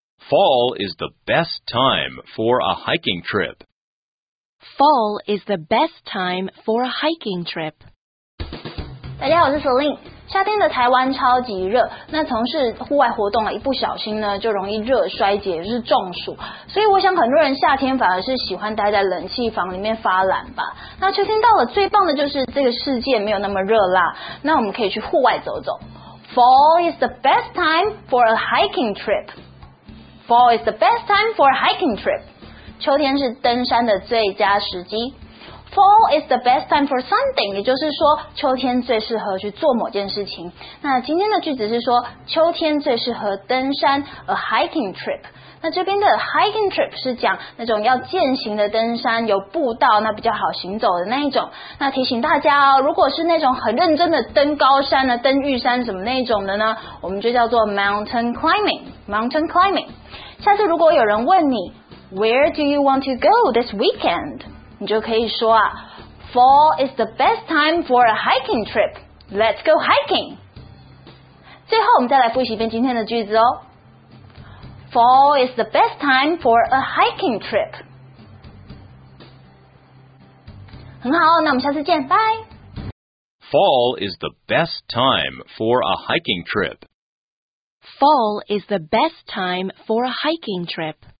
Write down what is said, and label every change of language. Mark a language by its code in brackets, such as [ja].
[en] Fall is the best time for a hiking trip. Fall is the best time for a hiking trip. [zh] 大家好，我是 Celine。夏天的台湾超级热，那从事户外活动啊，一不小心呢就容易热衰竭，就是中暑。所以我想很多人夏天反而是喜欢待在冷气房里面发懒吧。那秋天到了，最棒的就是这个世界没有那么热辣，那我们可以去户外走走。 [en] Fall is the best time for a hiking trip. Fall is the best time for a hiking trip. [zh] 秋天是登山的最佳时机。 [en] Fall is the best time for something, [zh] 也就是说秋天最适合去做某件事情。那今天的句子是说秋天最适合登山 [en] a hiking trip。 [zh] 那这边的 hiking trip 是讲那种要健行的登山，有步道，那比较好行走的那一种。那提醒大家哦，如果是那种很认真的登高山呢，登玉山什么那一种的呢，我们就叫做 mountain climbing。下次如果有人问你 [en] ，Where do you want to go this weekend？ [zh] 你就可以说啊 [en] ，Fall is the best time for a hiking trip. Let's go hiking. [zh] 最后，我们再来复习一遍今天的句子哦。 [en] Fall is the best time for a hiking trip. [zh] 很好，那我们下次见，拜。 [en] Fall is the best time for a hiking trip. Fall is the best time for a hiking trip.